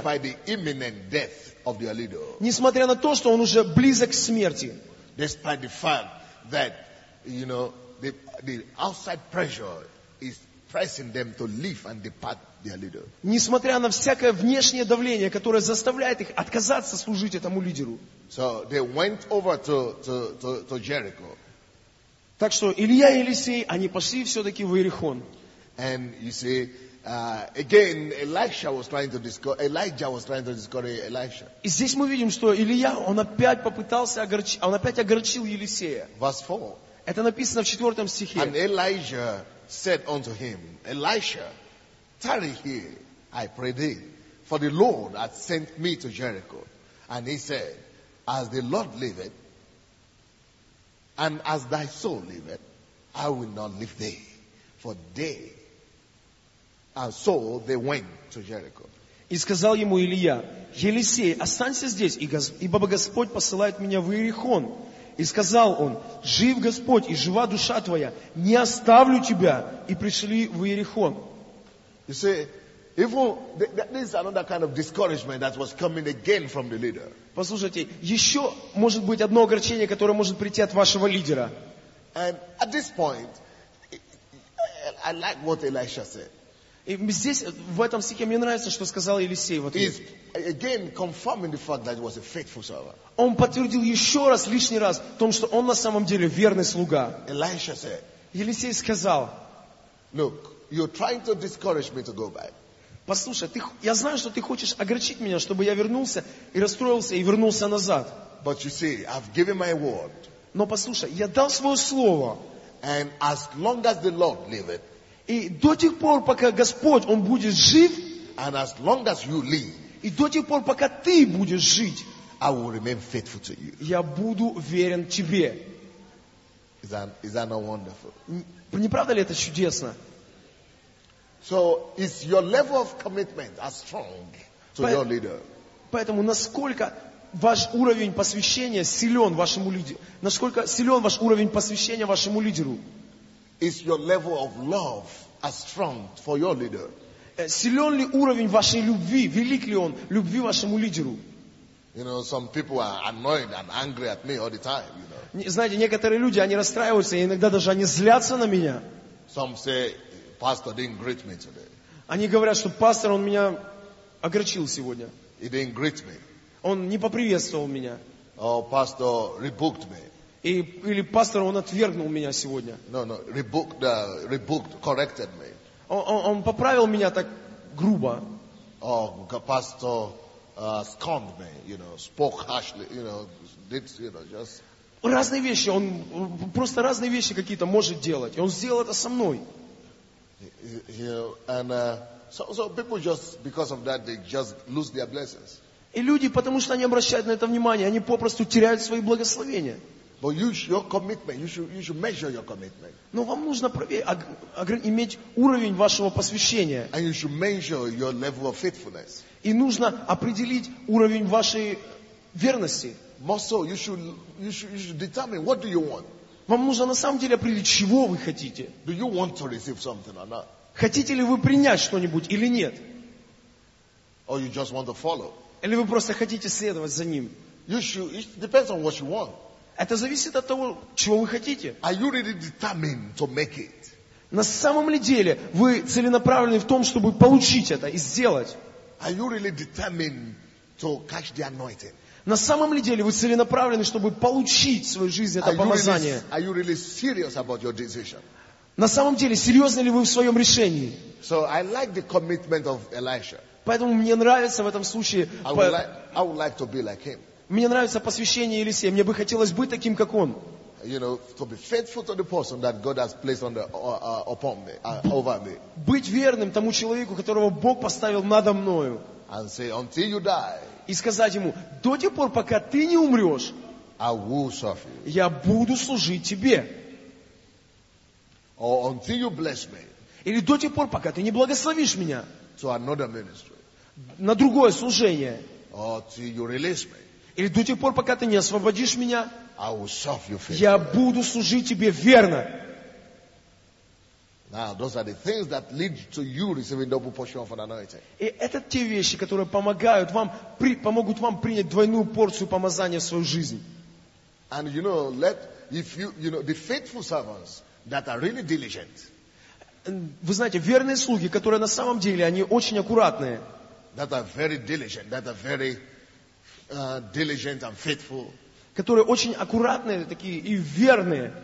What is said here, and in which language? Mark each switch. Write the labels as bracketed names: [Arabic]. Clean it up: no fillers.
[English] despite the imminent death of their leader, [Russian] несмотря на то, что он уже близок к смерти, [English] despite the fact that, you know, the outside pressure is pressing them to leave and depart their leader. [Russian] Несмотря на всякое внешнее давление, которое заставляет их отказаться служить этому лидеру. [English] So they went over to Jericho. [Russian] Так что Илия и Елисей, они пошли все-таки в Иерихон. [English] And you see, again, Elijah was trying to discourage Elisha. [Russian] И здесь мы видим, что Илия, он опять попытался огорчить, он опять огорчил Елисея. [English] Verse 4. [Russian] Это написано в 4 стихе. [English] And Elijah said unto him, Elisha, tarry here, I pray thee, for the Lord hath sent me to Jericho. And he said, as the Lord liveth, and as thy soul liveth, I will not leave thee, for they. And so they went to Jericho. [Russian] И сказал ему Илия, Елисей, останься здесь, ибо Господь посылает меня в Иерихон. И сказал он, жив Господь и жива душа твоя, не оставлю тебя, и пришли в Иерихон. [English] You see, even that is another kind of discouragement that was coming again from the leader. [Russian] Послушайте, еще может быть одно огорчение, которое может прийти от вашего лидера. [English] And at this point, I like what Elisha said. [Russian] И здесь, в этом стихе, мне нравится, что сказал Елисей. Вот [English] again confirming the fact that he was a faithful servant. [Russian] Он подтвердил еще раз, лишний раз, в том, что он на самом деле верный слуга. [English] Elisha said, [Russian] Елисей сказал, [English] look, you're trying to discourage me to go back. [Russian] Послушай, я знаю, что ты хочешь огорчить меня, чтобы я вернулся и расстроился и вернулся назад. [English] But you see, I've given my word. [Russian] Но послушай, я дал свое слово. [English] And as long as the Lord liveth, [Russian] и до тех пор, пока Господь, Он будет жив, [English] and as long as you live, [Russian] и до тех пор, пока ты будешь жить, [English] I will remain faithful to you. [Russian] Я буду верен тебе. [English] Is that not wonderful? [Russian] Не правда ли это чудесно? [English] So, is your level of commitment as strong to your leader? [Russian] Поэтому, насколько ваш уровень посвящения силен вашему лидеру? Насколько силен ваш уровень посвящения вашему лидеру? [English] Is your level of love as strong for your leader? [Russian] Силен ли уровень вашей любви, велик ли он любви вашему лидеру? [English] You know, some people are annoyed and angry at me all the time. You know. [Russian] Знаете, некоторые люди, они расстраиваются, и иногда даже они злятся на меня. [English] Some say, pastor didn't greet me today. [Russian] Они говорят, что пастор, он меня огорчил сегодня. [English] He didn't greet me. [Russian] Он не поприветствовал меня. [English] pastor rebuked me. [Russian] И, или пастор, он отвергнул меня сегодня. [English] No, rebuked, rebuked, corrected me. [Russian] Он поправил меня так грубо. [English] Oh, pastor scorned me, you know, spoke harshly, you know, did, you know, just... [Russian] Разные вещи, он просто разные вещи какие-то может делать. И он сделал это со мной. [English] So people just, because of that, they just lose their blessings. [Russian] И люди, потому что они обращают на это внимание, они попросту теряют свои благословения. [English] But your commitment, you should measure your commitment. [Russian] Но вам нужно иметь уровень вашего посвящения. [English] And you should measure your level of faithfulness. [Russian] И нужно определить уровень вашей верности. [English] More so, you should determine what do you want. [Russian] Вам нужно на самом деле определить, чего вы хотите. [English] Do you want to receive something or not? [Russian] Хотите ли вы принять что-нибудь или нет? [English] Or you just want to follow? [Russian] Или вы просто хотите следовать за ним? [English] It depends on what you want. [Russian] Это зависит от того, чего вы хотите. [English] Are you really determined to make it? [Russian] На самом ли деле вы целенаправлены в том, чтобы получить это и сделать? [English] Are you really determined to catch the anointing? [Russian] На самом ли деле вы целенаправлены, чтобы получить в свою жизнь это помазание? [English] Are you really serious about your decision? [Russian] На самом деле, серьезны ли вы в своем решении? [English] So I like the commitment of Elisha. [Russian] Поэтому мне нравится в этом случае... [English] I would like to be like him. [Russian] Мне нравится посвящение Елисея. Мне бы хотелось быть таким, как он. [English] You know, to be faithful to the person that God has placed under, upon me, over me. [Russian] Быть верным тому человеку, которого Бог поставил надо мною. [English] And say, until you die, [Russian] и сказать ему, до тех пор, пока ты не умрешь, [English] I will serve you. [Russian] Я буду служить тебе. [English] Or until you bless me. [Russian] Или до тех пор, пока ты не благословишь меня. [English] To another ministry. [Russian] На другое служение. [English] Or till you release me. [Russian] Или до тех пор, пока ты не освободишь меня. [English] I will serve you faithfully. [Russian] Я буду служить тебе верно. [English] Now, those are the things that lead to you receiving double portion of an anointing. [Russian] И это те вещи, которые помогают вам, помогут вам принять двойную порцию помазания в свою жизнь. [English] And you know, the faithful servants that are really diligent. [Russian] Вы знаете, верные слуги, которые на самом деле они очень аккуратные. [English] That are very diligent. That are very diligent and faithful. [Russian] Которые очень аккуратные такие и верные.